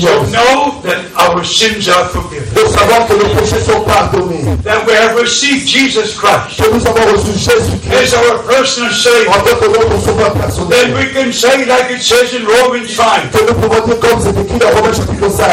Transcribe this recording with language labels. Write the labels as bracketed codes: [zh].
[en] know that our sins are forgiven. [fr] Que nos péchés sont pardonnés. [en] That we have received Jesus Christ, [fr] que nous avons reçu Jésus-Christ [en] as our personal Savior. Then we can say, like it says in Romans 5, [fr] que nous pouvons dire comme c'est écrit dans Romains chapitre 5,